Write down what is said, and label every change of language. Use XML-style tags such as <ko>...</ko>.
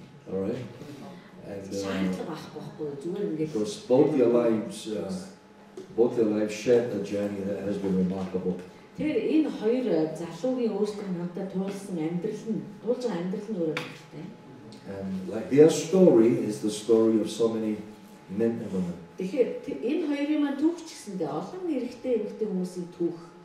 <en>All right, and because both their lives shared a journey that has been remarkable.</en> <mn>Тэр энэ хоёр залуугийн өөрсдөө надад туулсан амьдрал нь туулж байгаа амьдрал нь өөрөө хэрэгтэй.</mn> <en>Like their story is the story of so many men and women.</en> <mn>Тэгэхээр энэ хоёрын маань түүх ч гэсэндээ олон эрэгтэй эмэгтэй хүмүүсийн түүх.</mn>